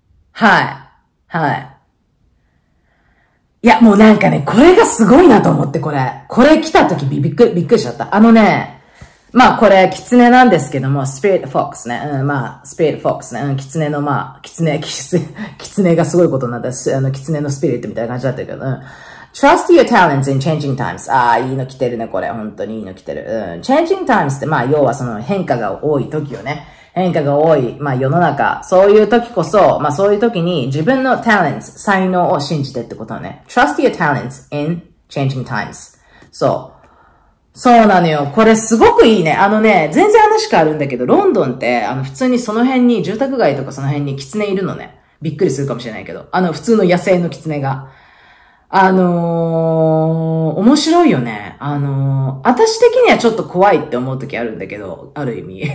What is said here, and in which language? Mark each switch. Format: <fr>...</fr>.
<ja>はい、はい。いや、もうなんかね、これがすごいなと思って、これ。これ来たときびっくりしちゃった。まあこれ、キツネなんですけども、スピリットフォックスね。うん、まあ、スピリットフォックスね。うん、キツネの、まあ、キツネがすごいことになった、キツネのスピリットみたいな感じだったけど、うん。</ja> <en>Trust your talents in changing times.</en> <ja>ああ、いいの来てるね、これ。本当にいいの来てる。うん。</ja> <en>Changing times</en> <ja>って、まあ、要はその変化が多い時よね。変化が多い、まあ、世の中。そういう時こそ、まあ、そういう時に自分の talents、才能を信じてってことね。</ja> <en>Trust your talents in changing times.</en> <ja>そう。そうなのよ。これすごくいいね。全然話変わるんだけど、ロンドンって、普通にその辺に、住宅街とかその辺に狐いるのね。びっくりするかもしれないけど。普通の野生の狐が。面白いよね。私的にはちょっと怖いって思う時あるんだけど、ある意味。</ja>